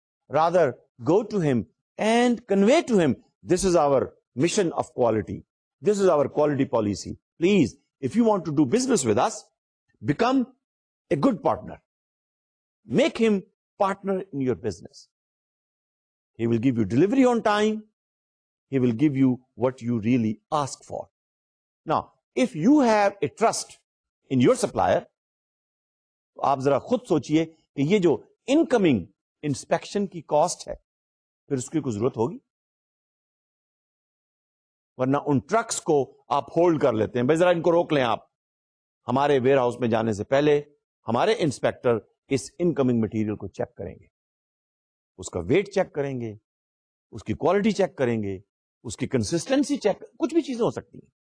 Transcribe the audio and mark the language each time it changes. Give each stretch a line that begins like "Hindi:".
English: Rather go to him and convey to him, this is our mission of quality, this is our quality policy. Please if you want to do business with us, become a good partner, make him partner in your business. He will give you delivery on time. He will give you what you really ask for. Now, if you have a trust in your supplier,
Hindi: तो आप जरा खुद सोचिए कि ये जो incoming inspection की cost है, फिर उसकी कोई जरूरत होगी? वरना उन trucks को आप hold कर लेते हैं, भाई जरा इनको रोक लें आप, हमारे warehouse में जाने से पहले हमारे inspector इस incoming material को check करेंगे, उसका वेट चेक करेंगे, उसकी क्वालिटी चेक करेंगे, उसकी कंसिस्टेंसी चेक, कुछ भी चीजें हो सकती हैं.